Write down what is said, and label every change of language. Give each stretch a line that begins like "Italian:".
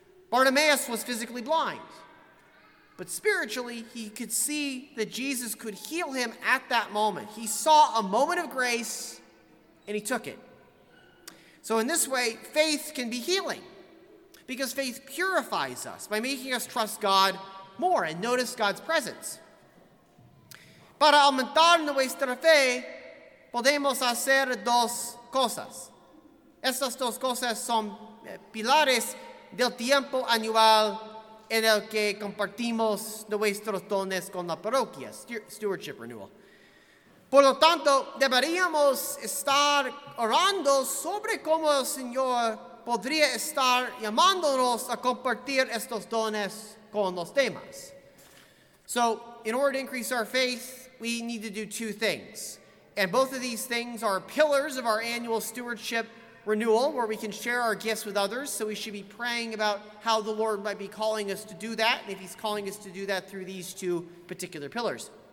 English: Bartimaeus was physically blind, but spiritually he could see that Jesus could heal him at that moment. He saw a moment of grace and he took it. So in this way, faith can be healing because faith purifies us by making us trust God more and notice God's presence.
Spanish: Para aumentar nuestra fe, podemos hacer dos cosas. Estas dos cosas son pilares del tiempo anual en el que compartimos nuestros dones con la parroquia,
English: stewardship renewal.
Spanish: Por lo tanto, deberíamos estar orando sobre cómo el Señor podría estar llamándonos a compartir estos dones con los demás.
English: So, in order to increase our faith, we need to do two things. And both of these things are pillars of our annual stewardship renewal, where we can share our gifts with others. So we should be praying about how the Lord might be calling us to do that, and if He's calling us to do that through these two particular pillars.